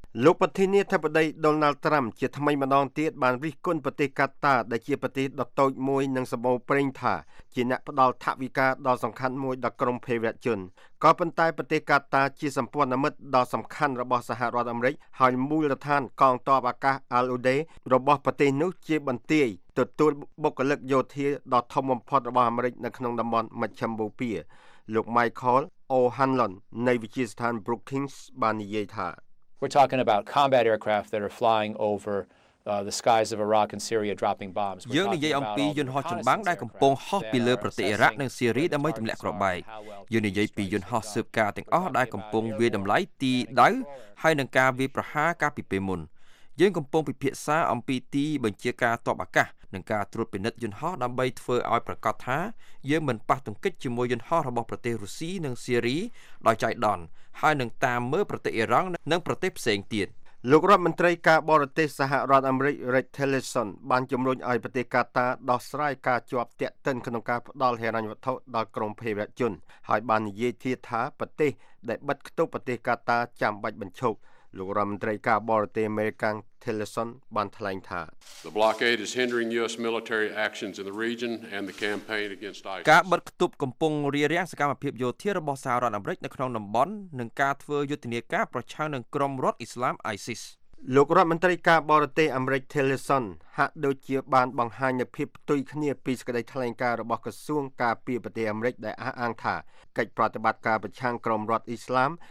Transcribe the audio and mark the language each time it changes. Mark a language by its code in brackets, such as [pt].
[km] លោកប្រធានាធិបតីដូណាល់ត្រាំជាថ្មីម្ដងទៀតបានរិះគន់ប្រទេសកាតាដែលជាប្រទេសដ៏តូចមួយនិងសម្បូរប្រេងថាជាអ្នកផ្ដល់ថវិកាដ៏សំខាន់មួយដល់ក្រុមភេរវជនក៏ប៉ុន្តែប្រទេសកាតាជាសម្ព័ន្ធមិត្តដ៏សំខាន់របស់សហរដ្ឋអាមេរិកហើយមូលដ្ឋានកងទ័ពអាកាសអាល់អ៊ូដេរបស់ប្រទេសនោះជាបន្ទាយទទួលបុគ្គលិកយោធាដ៏ធំបំផុតរបស់អាមេរិកនៅក្នុងតំបន់មជ្ឈមបូព៌ាលោក Michael O'Hanlon នៃវិទ្យាស្ថាន Brookings បាននិយាយថា [en] We're talking about combat aircraft that are flying over the skies of Iraq and Syria dropping bombs. [km] យើងនិយាយអំពីយន្តហោះចម្បាំងដែលកំពុងហោះពីលើប្រទេសអ៊ីរ៉ាក់និងស៊ីរីដើម្បីទម្លាក់គ្រាប់បែកយើងនិយាយពីយន្តហោះស៊ើបការទាំងអស់ដែលកំពុងវាយតម្លៃទីដៅហើយនឹងការវាយប្រហារកាលពីពេលមុនយើងកំពុងពិភាក្សាអំពីទីបញ្ជាការទ័ពអាកាសនិងការត្រួតពិនិត្យយន្តហោះដើម្បីធ្វើឲ្យប្រកាសថាយើងមិនប៉ះទង្គិចជាមួយយន្តហោះរបស់ប្រទេសរុស្ស៊ីនិងស៊ីរីដោយចៃដន្យហើយនឹងតាមមើលប្រទេសអ៊ីរ៉ង់និងប្រទេសផ្សេងទៀត លោករដ្ឋមន្ត្រីការបរទេសសហរដ្ឋអាមេរិក Rex Tillerson បានជំរុញឲ្យប្រទេសកាតាដោះស្រាយការជាប់ទាក់ទិនក្នុងការផ្ដល់ហិរញ្ញវត្ថុដល់ក្រុមភេរវជនហើយបាននិយាយធៀបថាប្រទេសដែលបិទគតុប្រទេសកាតាចាំបាច់បញ្ឈប់លោករដ្ឋមន្ត្រីការបរទេសអាមេរិកTillerson បានថ្លែងថា [en] The blockade is hindering US military actions in the region and the campaign against ISIS. [km] ការបិទគប់កំពុងរារាំងសកម្មភាពយោធារបស់សហរដ្ឋអាមេរិកនៅក្នុងតំបន់និងការធ្វើយុទ្ធនាការប្រឆាំងនឹងក្រុមរដ្ឋអ៊ីស្លាម ISIS. លោករដ្ឋមន្ត្រីការបរទេសអាមេរិក Tillerson ហាក់ដូចជាបានបង្ហាញនូវភាពផ្ទុយគ្នាពីសេចក្តីថ្លែងការណ៍របស់ក្រសួងការពារប្រទេសអាមេរិកដែលអះអាងថាកិច្ចប្រតិបត្តិការប្រឆាំងក្រុមរដ្ឋអ៊ីស្លាម